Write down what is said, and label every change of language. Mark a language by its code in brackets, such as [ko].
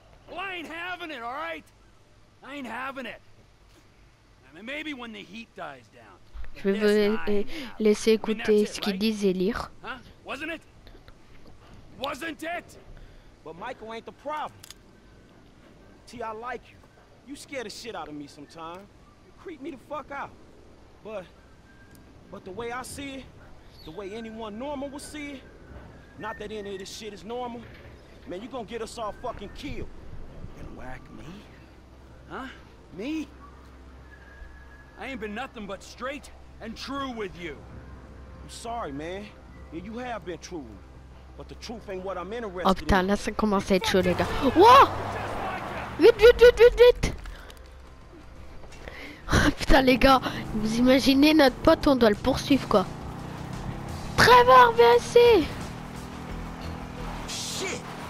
[en] Well, I ain't having it, all right? I ain't having it. I mean, maybe when the heat dies down. [fr] Je vais vous laisser écouter ce qu'ils disent et lire. [en] Huh? Wasn't it? Wasn't it? But Michael ain't the problem. T, I like you. You scare the shit out of me sometimes. You creep me the fuck out. But the way I see it, the way anyone normal would see it, not that any of this shit is normal, man, you gonna get us all fucking killed. Gonna whack me? Huh? Me? I ain't been nothing but straight and true with you. I'm sorry, man. Yeah, you have been true. But the truth ain't what I'm interested in. [fr] Oh, putain, là, ça commence à être chaud, les gars. Wow! Vite. Putain, les gars, vous imaginez notre pote, on doit le poursuivre, quoi. Trevor, VSC! [en] Shit!